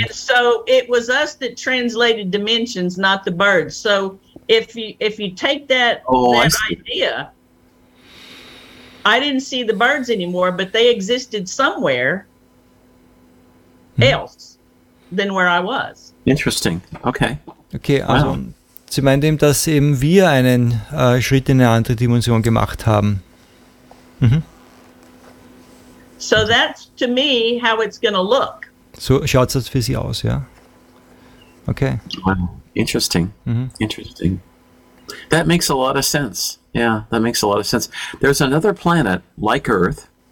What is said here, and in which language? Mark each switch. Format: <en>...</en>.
<en>And so it was us that translated dimensions, not the birds. So if you take that, idea, I didn't see the birds anymore, but they existed somewhere else than where I was. Interesting. Okay.</en> <de>Okay, also wow. Sie meint eben, dass eben wir einen Schritt in eine andere Dimension gemacht haben. Mhm.</de> <en>So that's to me how it's going to look.</en> <de>So schaut es für Sie aus, ja. Okay.</de> <en>Wow. Interesting. Mhm. Interesting. That makes a lot of sense. Yeah, that makes a lot of sense. There's another planet like Earth.</en>